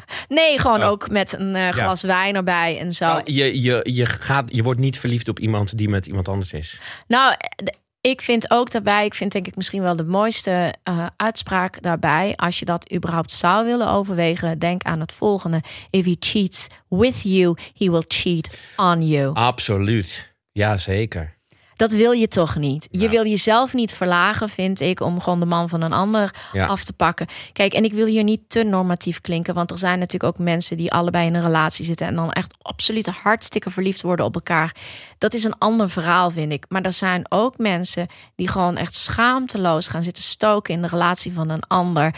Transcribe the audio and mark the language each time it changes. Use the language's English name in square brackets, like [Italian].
[Dutch] Nee, gewoon ook met een glas wijn erbij en zo. Je wordt niet verliefd op iemand die met iemand anders is. Nou, ik vind ook daarbij, ik vind denk ik misschien wel de mooiste uitspraak daarbij. Als je dat überhaupt zou willen overwegen, denk aan het volgende. [English] If he cheats with you, he will cheat on you. [Dutch] Absoluut. Ja, zeker. Dat wil je toch niet. Ja. Je wil jezelf niet verlagen, vind ik, om gewoon de man van een ander af te pakken. Kijk, en ik wil hier niet te normatief klinken, want er zijn natuurlijk ook mensen die allebei in een relatie zitten en dan echt absoluut hartstikke verliefd worden op elkaar. Dat is een ander verhaal, vind ik. Maar er zijn ook mensen die gewoon echt schaamteloos gaan zitten stoken in de relatie van een ander.